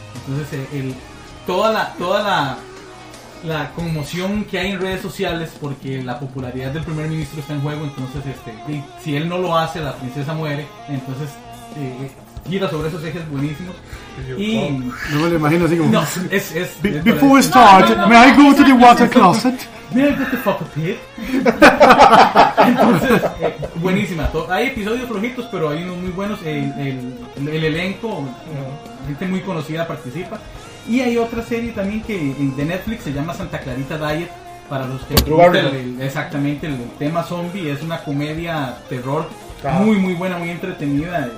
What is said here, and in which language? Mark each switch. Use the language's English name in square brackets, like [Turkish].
[Spanish] Entonces toda la conmoción que hay en redes sociales porque la popularidad del primer ministro está en juego. Entonces si él no lo hace, la princesa muere. Entonces gira sobre esos ejes, buenísimo. Y no me lo imagino así como no, es [English] before we start, may I go to the water closet? May I go to the fuck a pit? [Spanish] Entonces buenísima. Hay episodios flojitos, pero hay unos muy buenos. El elenco, gente muy conocida participa. Y hay otra serie también que de Netflix, se llama Santa Clarita Diet, para los que gustan exactamente el tema zombie. Es una comedia terror muy muy buena, muy entretenida.